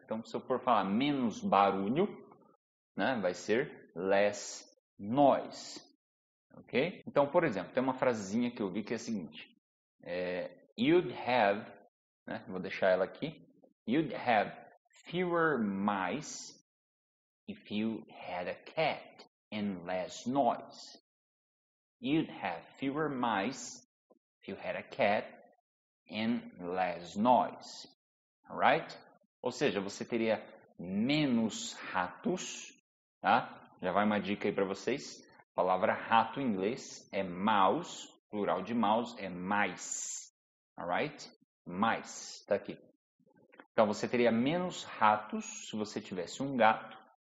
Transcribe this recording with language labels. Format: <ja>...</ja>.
<pt>Então, se eu for falar menos barulho, né, vai ser less nós, ok? Então, por exemplo, tem uma frasezinha que eu vi que é a seguinte:</pt> <en>you'd have,</en> <pt>né, vou deixar ela aqui,</pt> <en>you'd have fewer mice if you had a cat and less noise. You'd have fewer mice if you had a cat and less noise. Alright?</en> <pt>Ou seja, você teria menos ratos, tá? Já vai uma dica aí para vocês. A palavra rato em inglês é mouse. Plural de mouse é mice.</pt> <en>Alright?</en> <pt>Mice. Está aqui. Então, você teria menos ratos se você tivesse um gato.</pt>